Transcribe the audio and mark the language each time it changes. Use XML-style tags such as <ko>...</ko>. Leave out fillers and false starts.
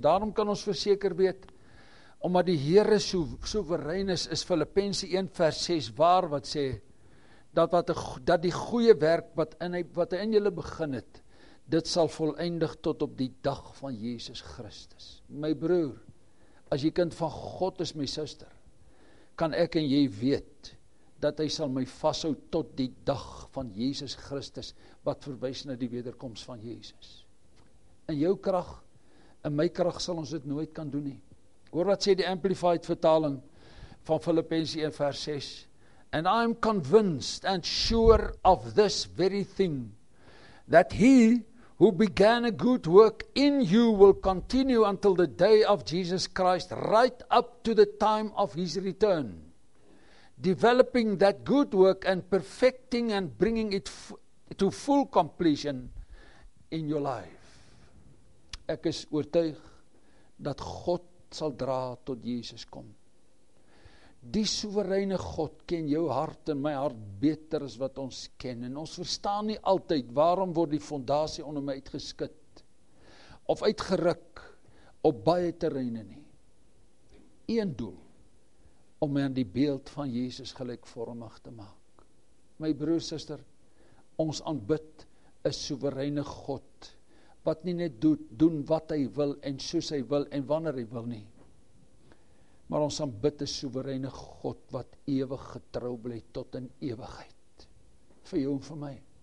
<af>En daarom kan ons verseker weet, omdat die Here soewerein is, is Filippense 1 vers 6 waar wat sê, dat die goeie werk wat hy in julle begin het, dit sal volëindig tot op die dag van Jesus Christus. My broer, as jy kind van God is, my suster, kan ek en jy weet, dat hy sal my vashou tot die dag van Jesus Christus, wat verwys na die wederkoms van Jesus. In jou krag, in my krag sal ons dit nooit kan doen nie. Hoor wat sê die Amplified vertaling van Filippense 1 vers 6,</af> <en>and I am convinced and sure of this very thing, that he who began a good work in you will continue until the day of Jesus Christ, right up to the time of his return, developing that good work and perfecting and bringing it to full completion in your life.</en> <af>Ek is oortuig dat God sal dra tot Jesus kom. Die soewereine God ken jou hart en my hart beter as wat ons ken. En ons verstaan nie altyd waarom word die fondasie onder my uitgeskud of uitgeruk op baie terreine nie. Een doel, om my aan die beeld van Jesus gelykvormig te maak. My broer, suster, ons aanbid 'n soewereine God wat nie net doen wat hy wil en soos hy wil en wanneer hy wil nie, maar ons aanbid 'n soewereine God wat ewig getrou bly tot in ewigheid. Vir jou en vir my.</af>